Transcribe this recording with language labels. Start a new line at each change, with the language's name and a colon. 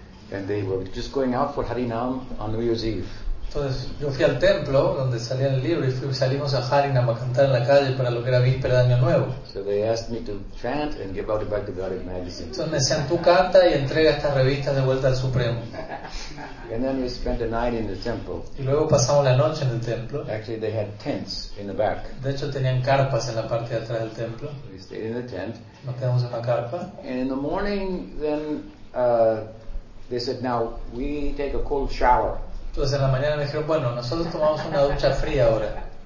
English: And they were just going out for Harinam on New Year's Eve.
Spanish: Entonces yo fui al templo donde salía el libro y salimos a Harinam a cantar en la calle para lo que era víspera de Año Nuevo.
English: So they asked me to chant and give out the Bhakti-tattva magazine.
Spanish: Entonces me decían, tú canta y entrega estas revistas de vuelta al Supremo.
English: And then we spent the night in the temple.
Spanish: Y luego pasamos la noche en el templo.
English: Actually, they had tents in the back.
Spanish: De hecho, tenían carpas en la parte de atrás del templo.
English: We stayed in the tent.
Spanish: Nos quedamos en la carpa.
English: And in the morning, then they said, now we take a cold shower.
Spanish: Entonces en la mañana me dijeron, bueno, nosotros tomamos una ducha fría ahora.